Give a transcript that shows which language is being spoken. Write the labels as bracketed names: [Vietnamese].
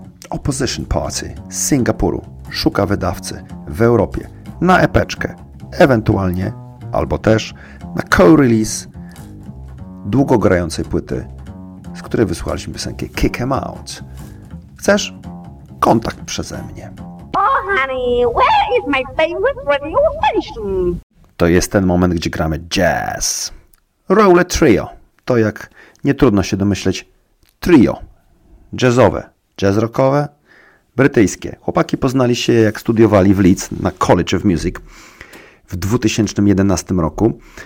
[Polish] Opposition Party z Singapuru szuka wydawcy w Europie na epeczkę, ewentualnie albo też na co-release długogrającej płyty, z której wysłuchaliśmy piosenki Kick 'em Out. Chcesz? Kontakt przeze mnie. [English] Oh honey, where is my favorite radio station? [Polish] To jest ten moment, gdzie gramy jazz. Roller Trio. To jak nie trudno się domyśleć, trio. Jazzowe. Jazz rockowe. Brytyjskie. Chłopaki poznali się, jak studiowali w Leeds na College of Music w 2011 roku.